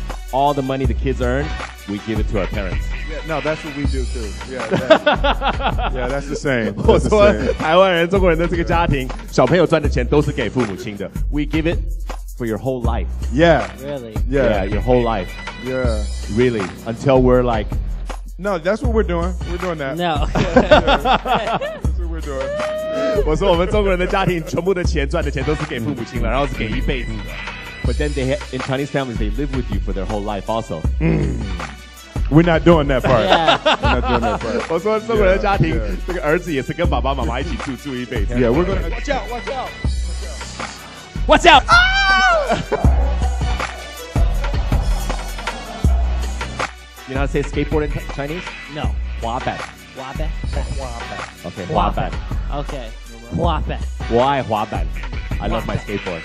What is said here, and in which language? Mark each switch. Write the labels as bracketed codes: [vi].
[en] All the money the kids earn, we give it to our parents. Yeah, no, that's what we do too. Yeah, that's the same. [zh] 我说台湾人、中国人的这个家庭，小朋友赚的钱都是给父母亲的。 [en] We give it for your whole life. Yeah. Really? Yeah, your whole life. Yeah. Really? Until we're like... No, that's what we're doing. We're doing that. No. yeah, that's what we're doing. [zh] 我说我们中国人的家庭全部的钱赚的钱都是给父母亲了，然后是给一辈子的。 [en] But then they, in Chinese families, they live with you for their whole life also.、 Mm. We're not doing that part. Yeah. We're not doing that part. [zh] 我说中国人的家庭，这个儿子也是跟爸爸妈妈一起住一辈子。 [en] Yeah, we're going to... Watch out! You know how to say skateboard in Chinese? No. [zh] 滑板。滑板。滑板。 Okay, 滑板。 Okay, 滑板。我爱滑板。 [en] I love my skateboard.